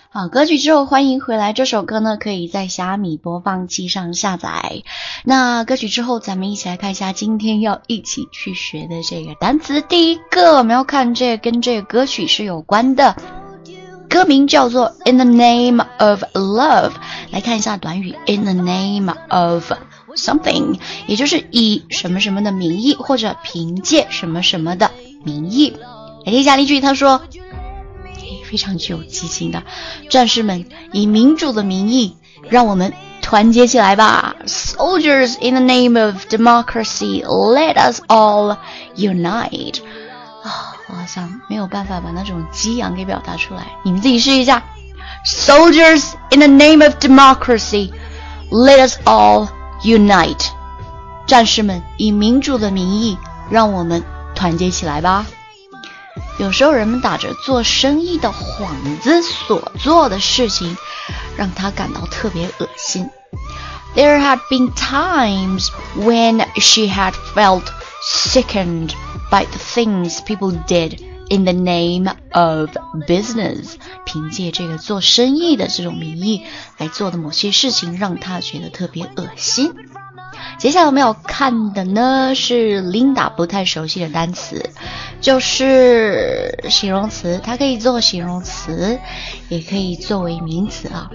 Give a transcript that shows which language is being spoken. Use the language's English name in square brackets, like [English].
[Chinese] 歌曲之后欢迎回来，这首歌呢可以在虾米播放器上下载。那歌曲之后咱们一起来看一下今天要一起去学的这个单词。第一个我们要看这跟这个歌曲是有关的，歌名叫做 In the name of love， 来看一下短语 [English] In the name of something， [Chinese] 也就是以什么什么的名义或者凭借什么什么的名义。来听一下例句，他说非常具有激情的，战士们以民主的名义，让我们团结起来吧。 [English] Soldiers in the name of democracy, let us all unite。 [Chinese] 我好像没有办法把那种激昂给表达出来，你们自己试一下。 [English] Soldiers in the name of democracy, let us all unite。 [Chinese] 战士们以民主的名义，让我们团结起来吧。有时候人们打着做生意的幌子所做的事情让他感到特别恶心。 [English] There had been times when she had felt sickened by the things people did in the name of business， [Chinese] 凭借这个做生意的这种名义来做的某些事情让他觉得特别恶心。接下来我们要看的呢是 Linda 不太熟悉的单词，就是形容词，它可以做形容词也可以作为名词啊。